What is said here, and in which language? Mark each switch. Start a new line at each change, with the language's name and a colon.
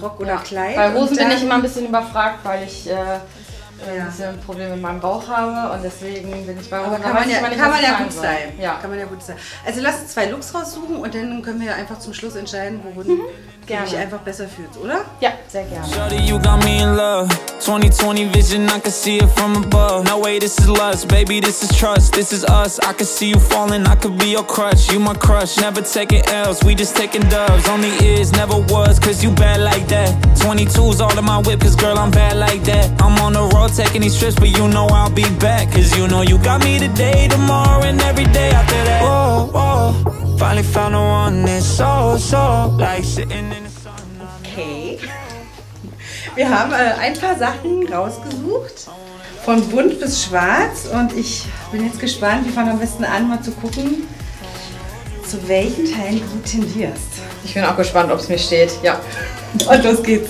German: Rock oder Kleid. Bei Hosen bin ich immer ein bisschen überfragt, weil ich ein bisschen Probleme mit meinem Bauch habe und deswegen bin ich bei Hosen. Kann man ja gut sein. Also lass uns zwei Looks raussuchen und dann können wir einfach zum Schluss entscheiden, worin du dich einfach besser fühlst, oder? Ja, sehr gerne.
English: Shawty, you got me in love. 2020 vision, I can see it from above. No way, this is lust, baby, this is trust. This is us, I can see you falling. I could be your crush, you my crush. Never taking L's, we just taking dubs. Only is, never was, cause you bad like that. 22's all in my whip, cause girl, I'm bad like that. I'm on the road taking these trips, but you know I'll be back. Cause you know you got me today, tomorrow, and every day after that. Whoa, whoa, finally found the one that's so, so. Like sitting in the sun. Okay.
German: Wir haben ein paar Sachen rausgesucht, von bunt bis schwarz und ich bin jetzt gespannt, wir fangen am besten an, mal zu gucken, zu welchen Teilen du tendierst. Ich bin auch gespannt, ob es mir steht, ja. Und los geht's.